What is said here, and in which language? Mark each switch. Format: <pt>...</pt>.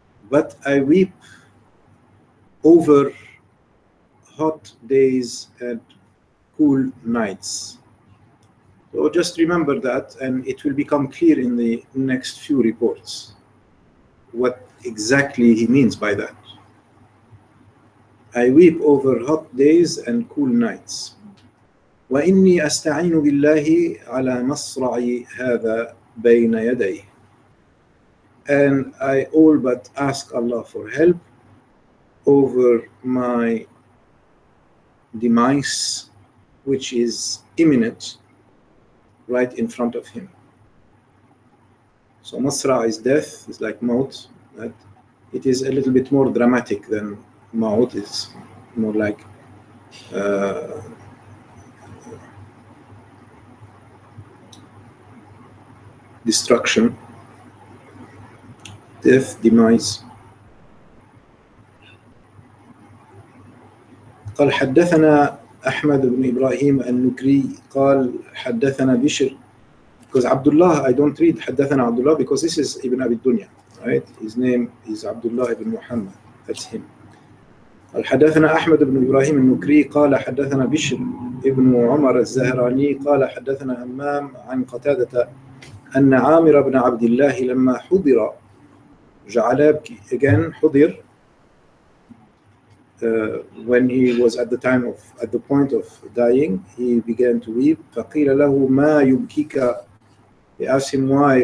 <en>But I weep over hot days and cool nights. So just remember that, and it will become clear in the next few reports what exactly he means by that. I weep over hot days and cool nights.</en> <ar>وإني أستعين بالله على مصرعي هذا بين يدي.</ar> <en>And I all but ask Allah for help over my demise, which is imminent, right in front of him. So مصرع is death, it's like موت, but it is a little bit more dramatic than Maut is more like destruction, death, demise.</en> <ar>قال حدثنا أحمد بن إبراهيم النكري قال حدثنا بشر,</ar> <en>because Abdullah, I don't read حدثنا Abdullah because this is Ibn Abi Dunya, right? His name is Abdullah ibn Muhammad, that's him.</en> <ar>حدثنا أحمد بن إبراهيم النكري قال حدثنا بشر ابن عمر الزهراني قال حدثنا همام عن قتادة أن عامر بن عبد الله لما حضر جعل يبكي.</ar> <en>Again, حضر, when he was at the point of dying, he began to weep.</en> <ar>فقيل له ما يبكيك,</ar> <en>he asked him why.</en>